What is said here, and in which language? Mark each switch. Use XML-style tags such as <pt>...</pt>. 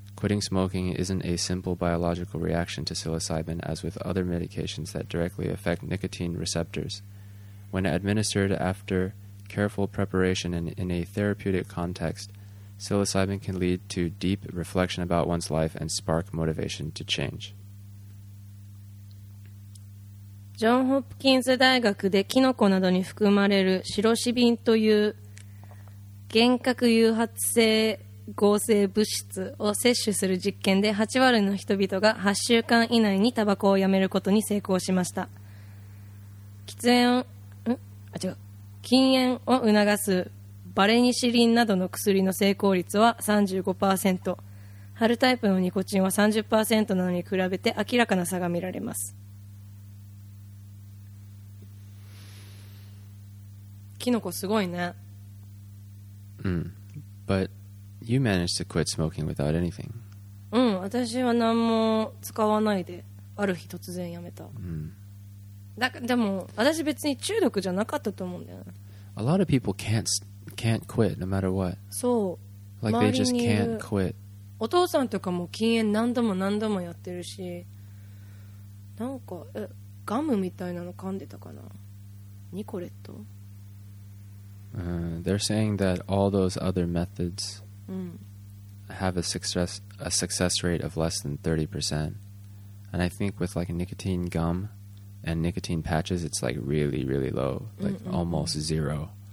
<en>Quitting smoking isn't a simple biological reaction to psilocybin as with other medications that directly affect nicotine receptors. When administered after careful preparation and in a therapeutic context, psilocybin can lead to deep reflection about one's life and spark motivation to change.</en> <ja>ジョン・ホプキンズ大学でキノコなどに含まれるシロシビンという幻覚誘発性合成物質を摂取する実験で8割の人々が8週間以内にタバコをやめることに成功しました。禁煙を促すバレニシリンなどの薬の成功率は 35%、 ハルタイプのニコチンは 30% なのに比べて明らかな差が見られます。キノコすごいね。</ja> <en>うん、But you managed to quit smoking without anything.</en> <ja>うん、私は何も使わないで、ある日突然やめた。うん。でも私別に中毒じゃなかったと思うんだよね。</ja> <en>A lot of people can't quit no matter what.</en> <ja>そう。</ja> <en>Like they just can't quit.</en> <ja>お父さんとかも禁煙何度も何度もやってるし、なんかガムみたいなの噛んでたかな。ニコレット。</ja> <en>They're saying that all those other methods have a success rate of less than 30%. And I think with like nicotine gum and nicotine patches, it's like really, really low, like almost zero.</en>